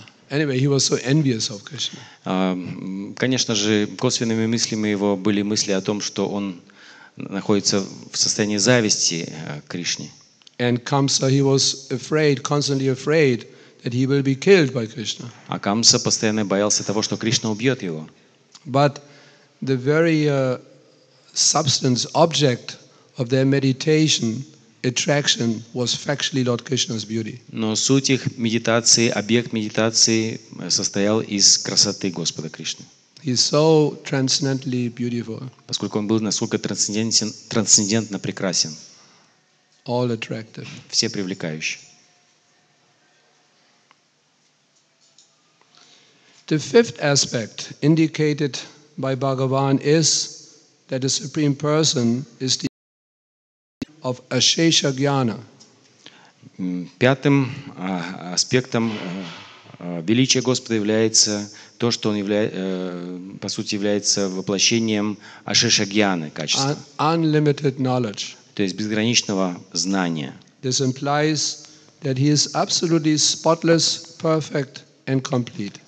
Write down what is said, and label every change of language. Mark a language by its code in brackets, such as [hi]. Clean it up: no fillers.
[en] Anyway, he was so envious of Krishna. [ru] Конечно же, косвенными мыслями его были мысли о том, что он находится в состоянии зависти к Кришне. [en] And Kamsa, he was afraid, constantly afraid that he will be killed by Krishna. [ru] А Камса постоянно боялся того, что Кришна убьет его. [en] But the very substance, object of their meditation. Attraction was factually Lord Krishna's beauty. [ru] Но суть их медитации, объект медитации состоял из красоты Господа Кришны. [en] He is so transcendently beautiful. [ru] Поскольку он был настолько трансцендентно прекрасен. [en] all attractive. [ru] Все привлекающие. [en] The fifth aspect indicated by Bhagavan is that the Supreme Person is the of Ashesha Jnana. [ru] Пятым аспектом величия Господа является то, что Он является, по сути, является воплощением Ашеша Гьяны качества. [en] Unlimited knowledge. [ru] То есть безграничного знания. [en] This implies that He is absolutely spotless, perfect and complete.